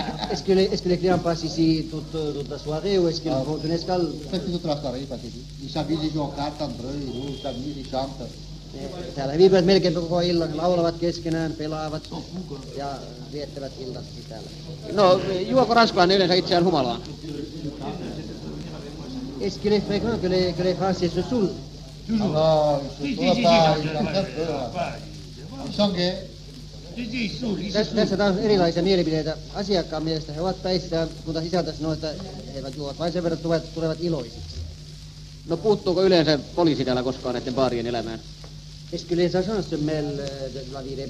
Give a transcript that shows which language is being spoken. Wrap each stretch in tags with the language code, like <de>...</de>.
<fr>Est-ce que les clients passent ici toute la soirée ou est-ce qu'ils font une escale? Faites toute la soirée, ils passent ici. Ils s'habillent, ils jouent aux cartes entre eux, ils jouent, ils chantent.</fr> <fi>Täällä he viipyvät melkein koko illan, laulavat keskenään, pelaavat ja viettävät illatkin täällä. No, juoko ranskalainen yleensä itseään humalaan?</fi> <fr>Est-ce que les fréquents, que les français se saoulent? Toujours. Si, si, si, si, si, si,</fr> <fi>Tässä taas erilaisia mielipiteitä. Asiakkaan mielestä he ovat päissään, kun taas isäntä sanoo, että he eivät juovat, vain sen verran tulevat iloisiksi. No, puuttuuko yleensä poliisi täällä koskaan näiden baarien elämään?</fi> <fr>Est-ce que les agents se mêlent de la vie des</fr>